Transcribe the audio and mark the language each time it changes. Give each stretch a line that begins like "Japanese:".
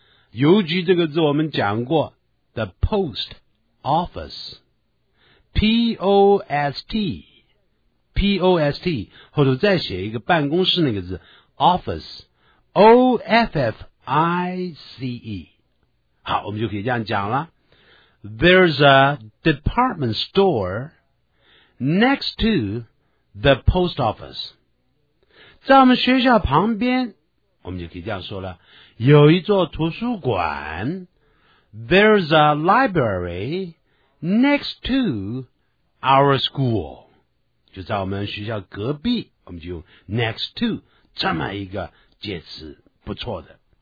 Chinese: 邮局这个字我们讲过，
English: The post office，
Chinese: P-O-S-T P-O-S-T， 或者再写一个办公室那个字 office， O-F-F I-C-E。好，我们就可以这样讲了。
English: There's a department store next to the post office.
Chinese: 在我们学校旁边，我们就可以这样说了，有一座图书馆。
English: There's a library next to our school.
Chinese: 就在我们学校隔壁，我们就用
English: next to
Chinese: 这么一个介词，不错的。